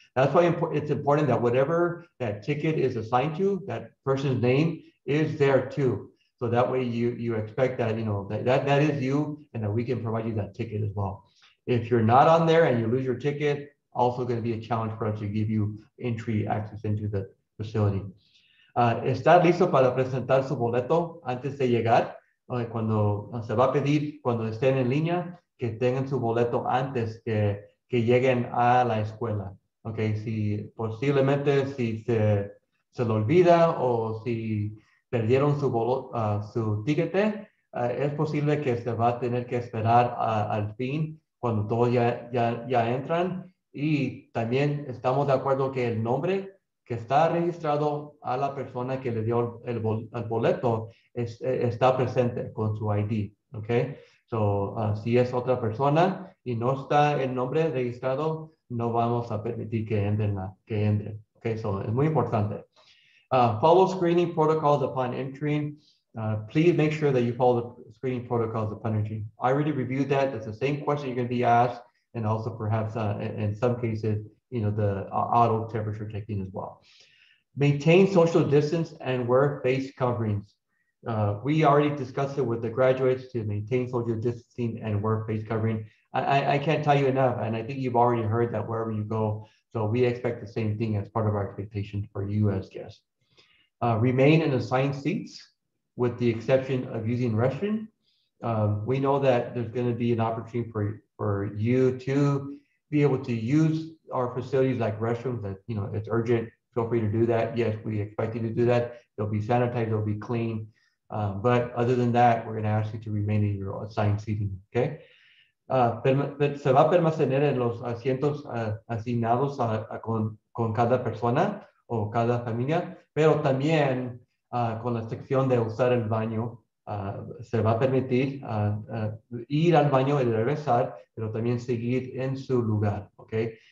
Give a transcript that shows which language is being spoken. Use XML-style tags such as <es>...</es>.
<en>That's why it's important that whatever that ticket is assigned to, that person's name is there too. So that way you expect that, you know, that is you, and that we can provide you that ticket as well. If you're not on there and you lose your ticket, also going to be a challenge for us to give you entry access into the facility.</en> <es>¿Estás listo para presentar su boleto antes de llegar? Cuando se va a pedir, cuando estén en línea, que tengan su boleto antes que lleguen a la escuela. Ok, si posiblemente si se lo olvida o si perdieron su ticket, es posible que se va a tener que esperar al fin cuando todos ya entran. Y también estamos de acuerdo que el nombre que está registrado a la persona que le dio el boleto está presente con su ID. Ok. So So si es otra persona y no está el nombre registrado, no vamos a permitir que entren.</es> <en>Okay, so</en> <es>es muy importante.</es> <en>Follow screening protocols upon entry. Please make sure that you follow the screening protocols upon entry. I already reviewed that. That's the same question you're going to be asked. And also perhaps in some cases, you know, the auto temperature taking as well. Maintain social distance and wear face coverings. We already discussed it with the graduates to maintain social distancing and wear face covering. I can't tell you enough, and I think you've already heard that wherever you go. So we expect the same thing as part of our expectations for you as guests. Remain in assigned seats with the exception of using restroom. We know that there's going to be an opportunity for you to be able to use our facilities like restrooms. That, you know, it's urgent. Feel free to do that. Yes, we expect you to do that. It'll be sanitized. It'll be clean. But other than that, we're going to ask you to remain in your assigned seating. Okay.</en> <es>Se va a permanecer en los asientos asignados con cada persona o cada familia, pero también con la excepción de usar el baño. Se va a permitir ir al baño y regresar, pero también seguir en su lugar, okay?</es>